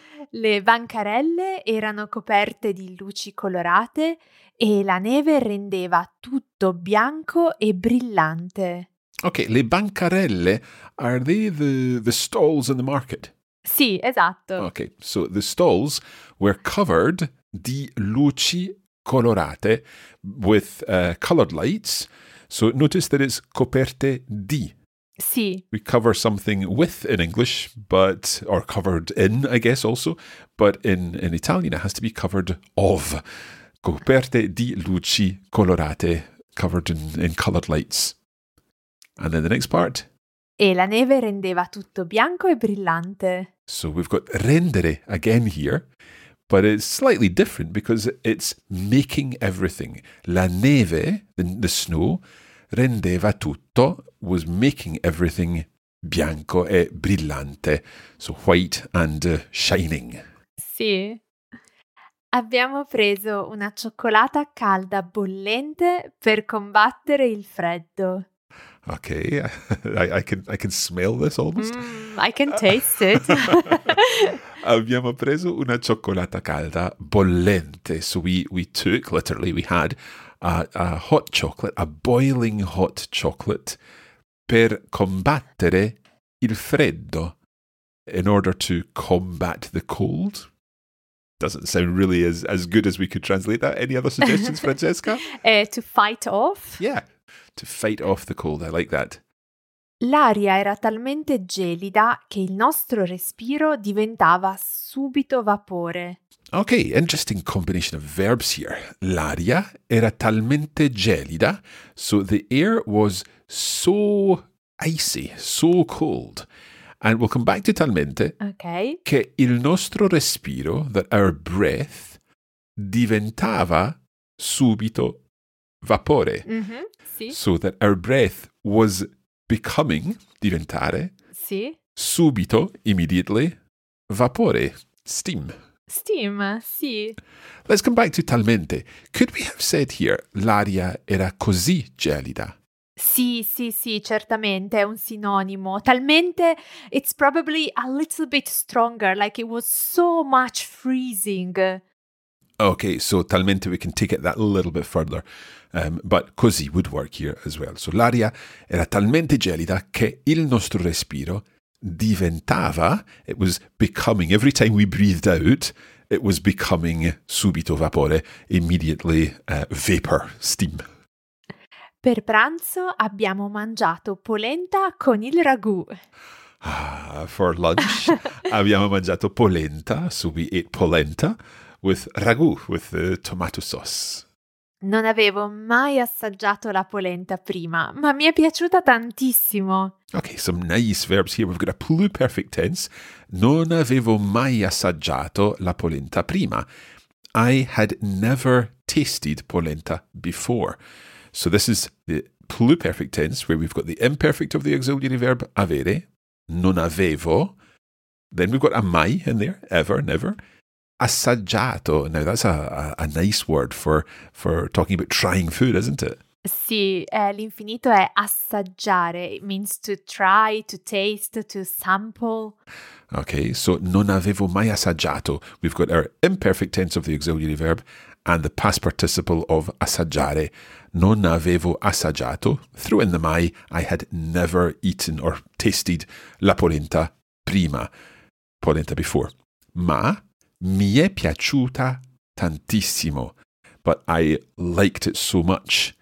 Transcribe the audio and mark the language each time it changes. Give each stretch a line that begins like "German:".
Italian: Le bancarelle erano coperte di luci colorate e la neve rendeva tutto bianco e brillante.
English: Ok, le bancarelle, are they the stalls in the market?
Italian: Sì, esatto.
English: Ok, so the stalls were covered
Italian: di luci colorate
English: with colored lights. So notice that it's coperte di.
Italian: Sì.
English: We cover something with in English, but or covered in, I guess, also. But in Italian, it has to be covered of.
Italian: Coperte di luci colorate,
English: covered in colored lights. And then the next part.
Italian: E la neve rendeva tutto bianco e brillante.
English: So we've got rendere again here, but it's slightly different because it's making everything.
Italian: La neve,
English: the snow,
Italian: rendeva tutto,
English: was making everything
Italian: bianco e brillante.
English: So white and shining.
Italian: Sì. Abbiamo preso una cioccolata calda bollente per combattere il freddo.
English: Ok, I can smell this almost. I can taste it.
Italian: Abbiamo preso una cioccolata calda bollente.
English: So we had a hot chocolate, a boiling hot chocolate,
Italian: per combattere il freddo,
English: in order to combat the cold. Doesn't sound really as good as we could translate that. Any other suggestions, Francesca? To fight off. Yeah. To fight off the cold, I like that.
Italian: L'aria era talmente gelida che il nostro respiro diventava subito vapore.
English: Okay, interesting combination of verbs here.
Italian: L'aria era talmente gelida.
English: So the air was so icy, so cold. And we'll come back to talmente. Okay.
Italian: Che il nostro respiro,
English: that our breath,
Italian: diventava subito vapore. Mm-hmm.
English: So that our breath was becoming, diventare,
Italian: sì,
English: subito, immediately, vapore, steam. Steam, sì. Let's come back to talmente. Could we have said here,
Italian: l'aria era così gelida? Sì, sì, sì, certamente, è un sinonimo.
English: Talmente, it's probably a little bit stronger, like it was so much freezing. Okay, so talmente we can take it that little bit further, but così would work here as well. So
Italian: l'aria era talmente gelida che il nostro respiro diventava,
English: it was becoming, every time we breathed out, it was becoming subito vapore, immediately vapor, steam.
Italian: Per pranzo abbiamo mangiato polenta con il ragù.
English: For lunch
Italian: abbiamo mangiato polenta,
English: so we ate polenta. With ragù, with the tomato sauce.
Italian: Non avevo mai assaggiato la polenta prima, ma mi è piaciuta tantissimo.
English: Okay, some nice verbs here. We've got a pluperfect tense.
Italian: Non avevo mai assaggiato la polenta prima.
English: I had never tasted polenta before. So this is the pluperfect tense where we've got the imperfect of the auxiliary verb avere. Non avevo. Then we've got a mai in there. Ever, never. Assaggiato. Now that's a nice word for talking about trying food, isn't it?
Italian: Sì, l'infinito è assaggiare.
English: It means to try, to taste, to sample. Okay, so
Italian: non avevo mai assaggiato.
English: We've got our imperfect tense of the auxiliary verb and the past participle of assaggiare.
Italian: Non avevo assaggiato.
English: Threw in the mai, I had never eaten or tasted la polenta prima. Polenta before.
Italian: Ma mi è piaciuta tantissimo,
English: but I liked it so much.